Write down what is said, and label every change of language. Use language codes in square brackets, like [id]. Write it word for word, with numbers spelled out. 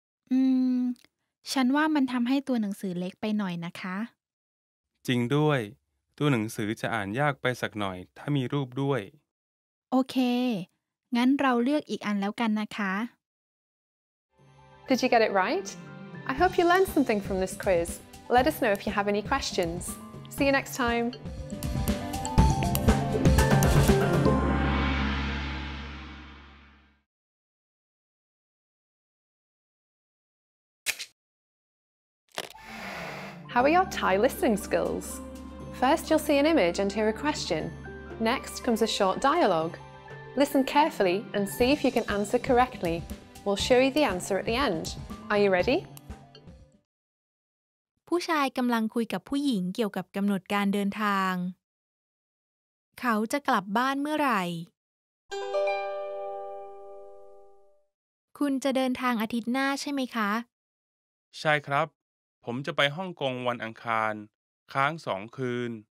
[th] อืม ฉันว่ามันทำให้ตัวหนังสือเล็กไปหน่อยนะคะ จริงด้วย ตัวหนังสือจะอ่านยากไปสักหน่อยถ้ามีรูปด้วย โอเค งั้นเราเลือกอีกอันแล้วกันนะคะ [en] Did you get it right? I hope you learned something from this quiz. Let us know if you have any questions. See you next time. How are your Thai listening skills? First, you'll see an image and hear a question. Next comes a short dialogue. Listen carefully and see if you can answer correctly. We'll show you the answer at the end. Are you ready? [th] ผู้ชายกำลังคุยกับผู้หญิงเกี่ยวกับกำหนดการเดินทาง เขาจะกลับบ้านเมื่อไหร่ คุณจะเดินทางอาทิตย์หน้าใช่ไหมคะ ใช่ครับผมจะไปฮ่องกงวันอังคารค้างสองคืน